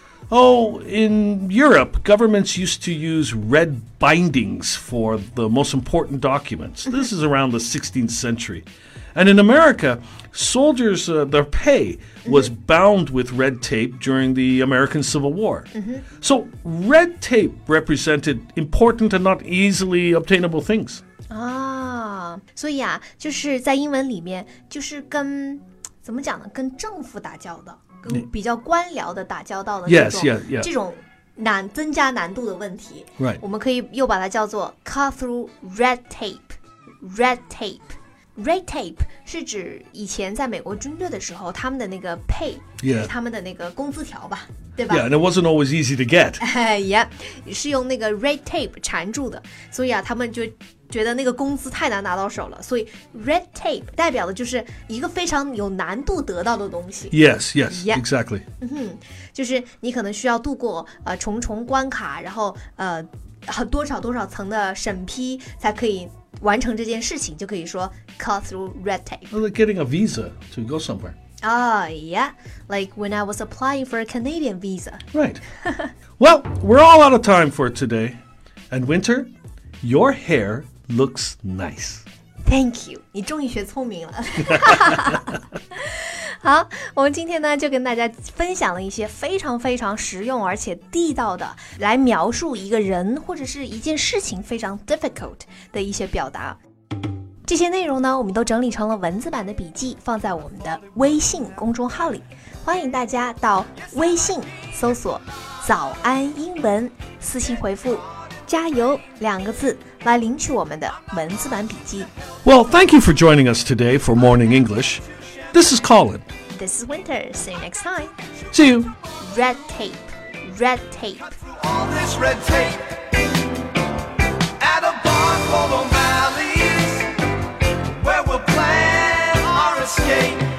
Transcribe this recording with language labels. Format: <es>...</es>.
<en>Oh, in Europe, governments used to use red bindings for the most important documents. This is around the 16th century. And in America, soldiers,、their pay was、mm-hmm. bound with red tape during the American Civil War.、 Mm-hmm. So red tape represented important and not easily obtainable things. Ah, so yeah,</en> <zh>就是在英文里面就是跟怎么讲呢跟政府打交道跟比较官僚的打交道的那种</zh> <en>yes, yeah, yeah.</en> <zh>这种难增加难度的问题、</zh> <en>right.</en> <zh>我们可以又把它叫做</zh> <en>cut through red tape</en> <zh>red tape red tape 是指以前在美国军队的时候他们的那个 pay、</zh> <en>yeah.</en> <zh>就是他们的那个工资条吧对吧</zh> <en>yeah, and it wasn't always easy to get yeah,</en> <zh>是用那个 red tape 缠住的所以啊他们就觉得那个工资太难拿到手了所以 red tape 代表的就是一个非常有难度得到的东西</zh> <en>yes yes、yeah. exactly、 mm-hmm.</en> <zh>就是你可能需要度过、重重关卡然后、多少多少层的审批才可以完成这件事情就可以说</zh> <en>cut through red tape well, like getting a visa to go somewhere oh yeah like when I was applying for a Canadian visa right well we're all out of time for today and Winter your hairLooks nice. Thank you.</en> <zh>你终于学聪明了。好，我们今天呢就跟大家分享了一些非常非常实用而且地道的来描述一个人或者是一件事情非常 difficult 的一些表达。这些内容呢，我们都整理成了文字版的笔记，放在我们的微信公众号里。欢迎大家到微信搜索“早安英文”，私信回复。加油两个字来领取我们的文字版笔记</zh> <en>Well, thank you for joining us today for Morning English. This is Colin. This is Winter. See you next time. See you. Red tape. Red tape. All this red tape. At a bar full of valleys where we'll plan our escape.</en>